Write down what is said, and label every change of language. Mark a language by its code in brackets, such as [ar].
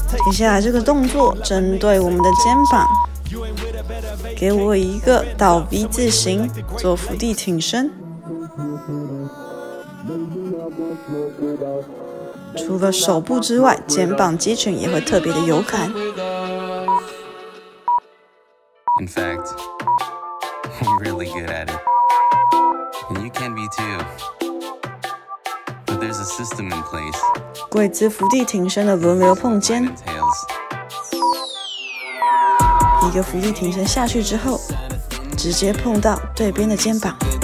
[zh] 接下来这个动作针对我们的肩膀，给我一个倒 V 字形，做伏地挺身。除了手部之外，肩膀肌群也会特别的有感。 [en] In fact, I'm really good at it, and you can be too. But there's a system in place. [zh] 跪姿伏地挺身的轮流碰肩，一个伏地挺身下去之后，直接碰到对边的肩膀。